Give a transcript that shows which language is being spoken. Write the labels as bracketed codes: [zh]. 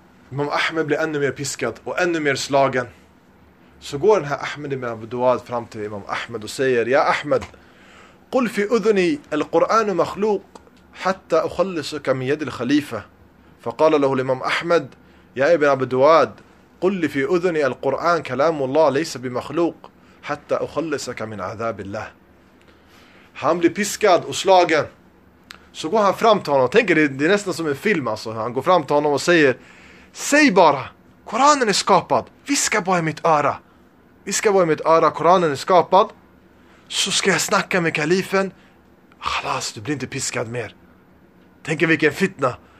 [sv] Imam Ahmed blir ännu mer piskad och ännu mer slagen. Så går den här Ahmed ibn Abdu'ad fram till Imam Ahmed och säger: Ja Ahmed, [ar] قل في أذني القرآن مخلوق حتى أخلصك من يد الخليفة. فقال له الإمام أحمد: يا ابن عبد الواد قل في أذني القرآن كلام الله ليس بمخلوق حتى أخلصك من عذاب الله. [sv] Han blir piskad och slagen. Så går han fram till honom. Tänk, det är nästan som en film alltså. Han går fram till honom och säger: Säg bara, Koranen är skapad. Viska bara i mitt öra. Viska bara i mitt öra, Koranen är skapad. Så ska jag snacka med kalifen. Khalas, du blir inte piskad mer. Tänk vilken fitna.